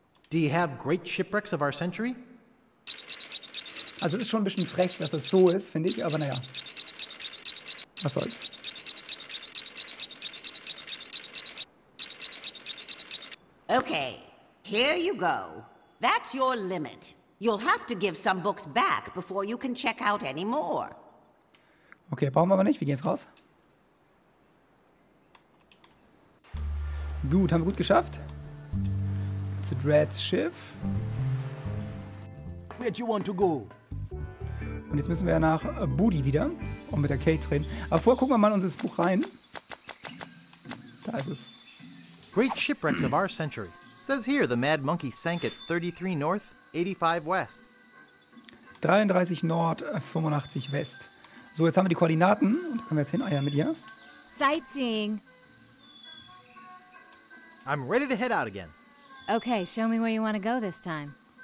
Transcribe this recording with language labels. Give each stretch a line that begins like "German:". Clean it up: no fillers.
English: Do you have great shipwrecks of our century?
German: Also es ist schon ein bisschen frech, dass es so ist, finde ich, aber naja. Was soll's.
English: Okay, here you go. That's your limit. You'll have to give some books back before you can check out any more.
German: Okay, brauchen wir aber nicht. Wie geht's raus? Gut, haben wir gut geschafft. To Dread's Schiff.
English: Where do you want to go?
German: Und jetzt müssen wir nach Booty wieder und mit der Kate reden. Aber vorher gucken wir mal unser Buch rein. Da ist es.
English: Great shipwrecks of our century. It says here the mad monkey sank at 33 north, 85 west.
German: 33 Nord, 85 West. So, jetzt haben wir die Koordinaten und können wir jetzt hineiern mit ihr.
English: Sightseeing. I'm ready to head out again. Okay, show me where you want to go this time.